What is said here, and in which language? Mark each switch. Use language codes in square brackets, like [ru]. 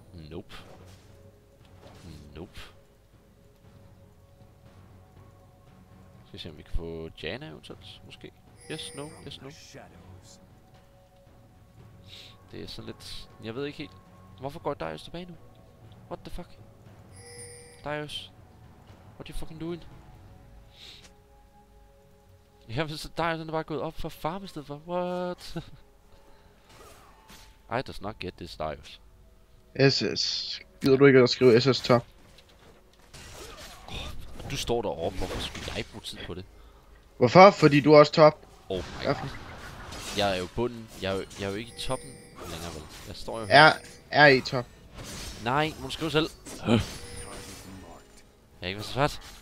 [en] Nope. Nope. [da] Skal vi se om vi kan få Janna eventuelt, måske. [en] Yes, no, yes, no. [da] Det er sådan lidt... Jeg ved ikke helt. Hvorfor går Darius tilbage nu? [en] What the fuck? Darius. What are you fucking doing? [da] Jamen så Darius er bare gået op for farm i stedet for. What? [en] I does not get this, Darius. [da] SS. Gider du ikke at skrive SS top? Du står derovre, hvorfor skulle jeg bruge tid på det? Hvorfor? Fordi du er også top. [en] Oh my god. [da] Jeg er jo bunden. Jeg er jo ikke i toppen længere, vel? Jeg står jo her. Er I top? Nej, må du skrive selv. Jeg er ikke så svært.